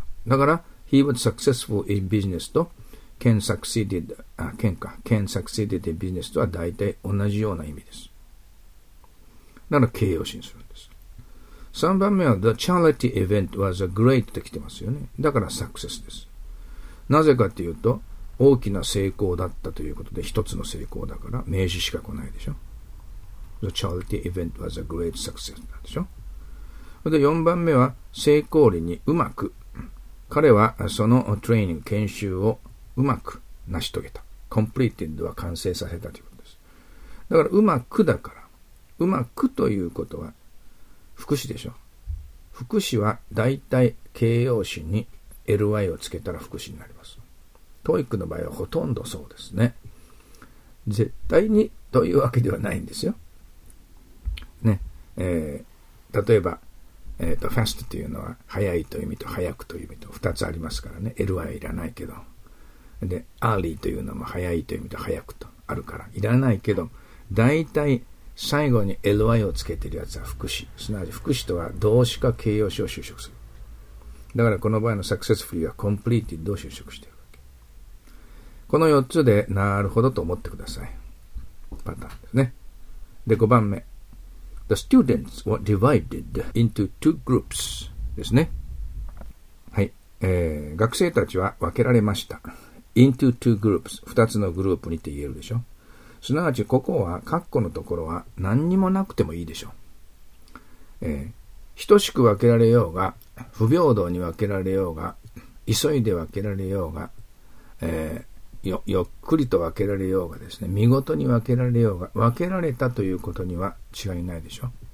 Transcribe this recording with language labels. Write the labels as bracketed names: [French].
[Japanese] だから [English] he was successful in business [Japanese] と [English] can succeeded in business [Japanese] とは大体同じような意味です。なら形容詞にする。 [English] 3番目は The charity event was a great [Japanese] と来てますよね。だからサクセスです。なぜかというと大きな成功だったということで一つの成功だから名詞しか来ないでしょ。 [English] The charity event was a great success [Japanese] なんでしょ。で、4番目は成功裏にうまく、彼はそのトレーニング研修をうまく成し遂げた。 Completed は完成させたということです。だからうまくだから、うまくということは副詞でしょ。副詞はだいたい形容詞に ly をつけたら副詞になります。 TOEIC の場合はほとんどそうですね。絶対にというわけではないんですよ。ね、例えば、fast というのは速いという意味と速くという意味と2つありますからね。ly はいらないけど。で、early というのも速いという意味と速くとあるからいらないけど、だいたい最後に ly をつけてるやつは副詞。すなわち副詞とは動詞か形容詞を修飾する。だからこの場合の successfully は completed を修飾してるわけ。この4つでなるほどと思ってください。パターンですね。で、5番目。 [English] The students were divided into two groups [Japanese] ですね。はい、学生たちは分けられました。 [English] into two groups [Japanese] 二つのグループにって言えるでしょ。すなわちここは括弧のところは何にもなくてもいいでしょ、等しく分けられようが不平等に分けられようが急いで分けられようが、よっくりと分けられようがですね、見事に分けられようが、分けられたということには違いないでしょ。